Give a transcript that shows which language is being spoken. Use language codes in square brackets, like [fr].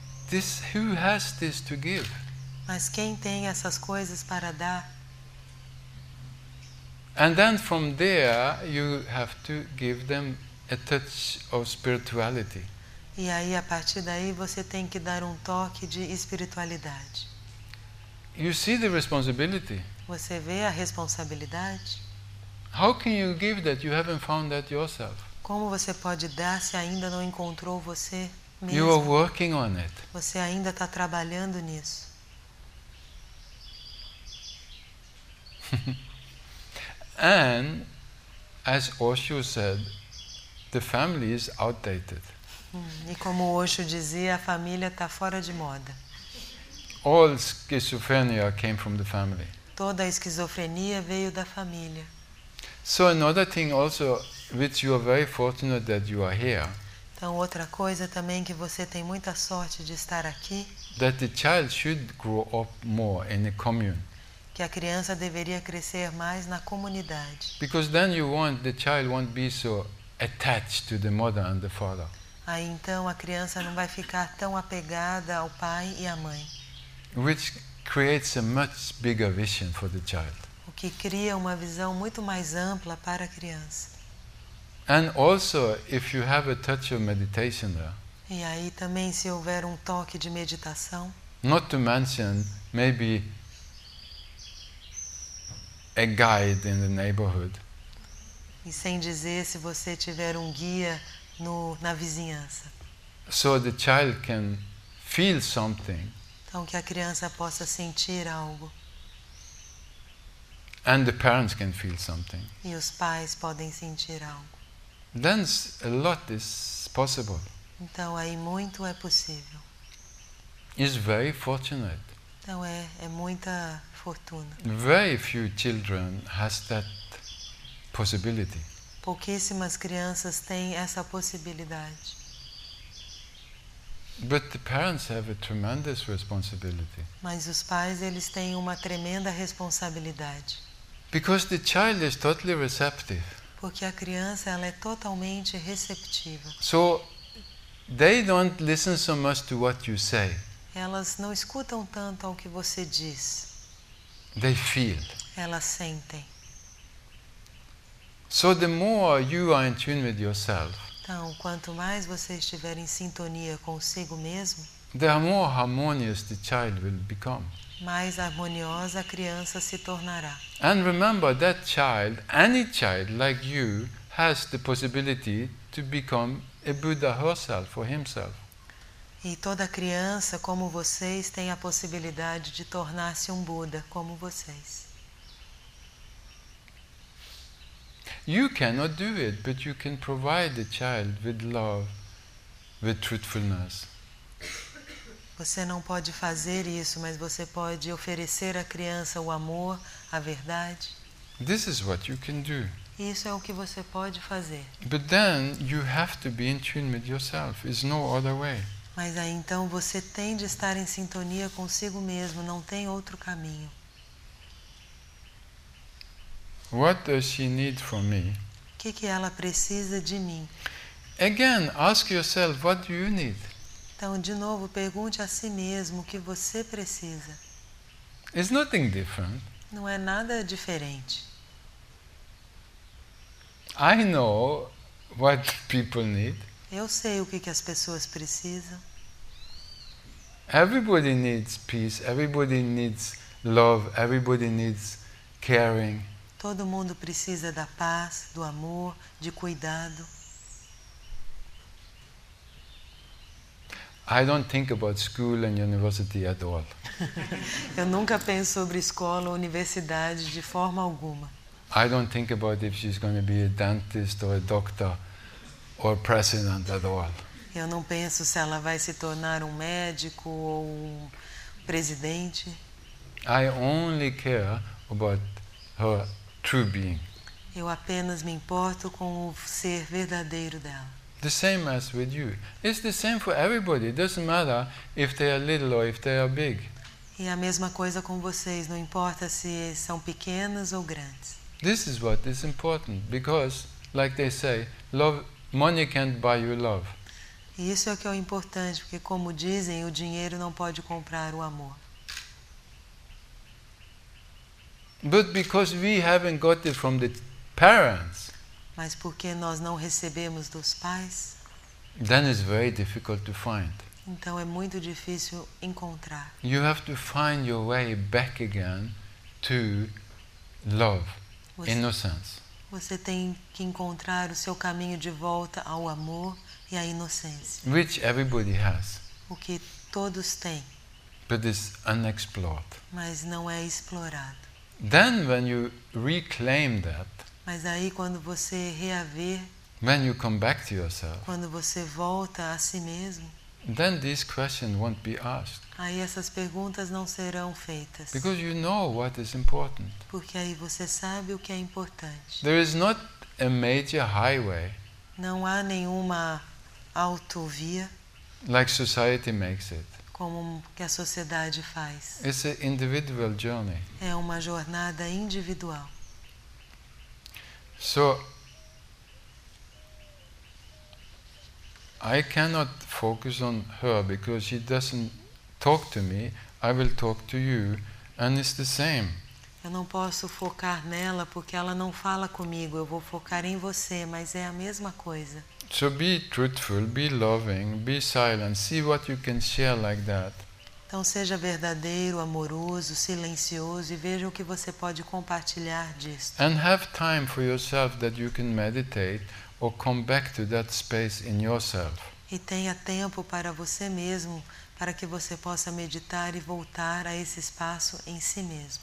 [en] This, who has this to give? [pt] Mas quem tem essas coisas para dar? [en] And then from there you have to give them a touch of spirituality. [pt] E aí a partir daí você tem que dar um toque de espiritualidade. [en] You see the responsibility? [pt] Você vê a responsabilidade? [en] How can you give that you haven't found that yourself? [pt] Como você pode dar se ainda não encontrou você mesmo? [en] You are working on it. [pt] Você ainda está trabalhando nisso. [en] And as Osho said, the family is outdated. [pt] E como Osho dizia, a família está fora de moda. [en] All schizophrenia came from the family. [pt] Toda a esquizofrenia veio da família. [en] So another thing also, which you are very fortunate that you are here. [pt] Então outra coisa também que você tem muita sorte de estar aqui. [en] That the child should grow up more in a commune. [pt] Que a criança deveria crescer mais na comunidade. [en] Because then you want the child won't be so attached to the mother and the father. [pt] Aí então a criança não vai ficar tão apegada ao pai e à mãe. [en] Which creates a much bigger vision for the child. [pt] O que cria uma visão muito mais ampla para a criança. [en] And also, if you have a touch of meditation there. [pt] E aí também se houver um toque de meditação. [en] Not to mention maybe a guide in the neighborhood. [pt] E sem dizer se você tiver um guia no, na vizinhança. [en] So the child can feel something. [pt] Então que a criança possa sentir algo. [en] And the parents can feel something. [pt] E os pais podem sentir algo. [en] Then a lot is possible. [pt] Então aí muito é possível. [en] It's very fortunate. [pt] Então é muita fortuna. [en] Very few children has that possibility. [pt] Pouquíssimas crianças têm essa possibilidade. [en] But the parents have a tremendous responsibility. [pt] Mas os pais, eles têm uma tremenda responsabilidade. [en] Because the child is totally receptive. [pt] Porque a criança, ela é totalmente receptiva. [en] So they don't listen so much to what you say. [pt] Elas não escutam tanto ao que você diz. [en] They feel. [pt] Elas sentem. [en] So the more you are in tune with yourself. [pt] Então, quanto mais você estiver em sintonia consigo mesmo, [en] the more harmonious the child will become. [pt] Mais harmoniosa a criança se tornará. [en] And remember that child, any child like you, has the possibility to become a Buddha herself or himself. [pt] E toda criança, como vocês, tem a possibilidade de tornar-se um Buda, como vocês. [en] You cannot do it, but you can provide the child with love, with truthfulness. [pt] Você não pode fazer isso, mas você pode oferecer à criança o amor, a verdade. [en] This is what you can do. [pt] Isso é o que você pode fazer. [en] But then you have to be in tune with yourself. There's no other way. [pt] Mas aí então você tem de estar em sintonia consigo mesmo, não tem outro caminho. [en] What does she need from me? [pt] Que ela precisa de mim? [en] Again, ask yourself, what do you need? [pt] Então, de novo, pergunte a si mesmo o que você precisa. [en] It's nothing different. [pt] Não é nada diferente. [en] I know what people need. [pt] Eu sei o que as pessoas precisam. [en] Everybody needs peace, everybody needs love, everybody needs caring. [pt] Todo mundo precisa da paz, do amor, de cuidado. [en] I don't think about school and university at all. [pt] Eu nunca penso sobre escola ou universidade de forma alguma. [en] I don't think about if she's going to be a dentist or a doctor or president at all. [pt] Eu não penso se ela vai se tornar um médico ou um presidente. [en] I only care about her true being. [pt] Eu apenas me importo com o ser verdadeiro dela. [en] The same as with you. It's the same for everybody. It doesn't matter if they are little or if they are big. [pt] E a mesma coisa com vocês. Não importa se são pequenos ou grandes. [en] This is what is important, because, like they say, love, money can't buy you love. [pt] E isso é o que é o importante, porque como dizem, o dinheiro não pode comprar o amor. [en] But because we haven't got it from the parents. [pt] Mas porque nós não recebemos dos pais? [en] Then it's very difficult to find. [pt] Então é muito difícil encontrar. [en] You have to find your way back again to love, [pt] você, [en] innocence. [pt] Você tem que encontrar o seu caminho de volta ao amor e à inocência. [en] Which everybody has. [pt] O que todos têm. [en] But it's unexplored. [pt] Mas não é explorado. [en] Then when you reclaim that. [pt] Mas aí quando você reaver. [en] When you come back to yourself. [pt] Quando você volta a si mesmo. [en] Then these questions won't be asked. [pt] Aí essas perguntas não serão feitas. [en] Because you know what is important. [pt] Porque aí você sabe o que é importante. [en] There is not a major highway. [pt] Não há nenhuma autovia. [en] Like society makes it. [pt] Como que a sociedade faz. [en] It's an individual journey. [pt] É uma jornada individual. [en] So, I cannot focus on her because she doesn't talk to me I will talk to you, and it's the same. [pt] Eu não posso focar nela porque ela não fala comigo. Eu vou focar em você, mas é a mesma coisa. [en] So be truthful, be loving, be silent. See what you can share like that. [pt] Então seja verdadeiro, amoroso, silencioso e veja o que você pode compartilhar disto. [en] And have time for yourself that you can meditate or come back to that space in yourself. [pt] E tenha tempo para você mesmo, para que você possa meditar e voltar a esse espaço em si mesmo.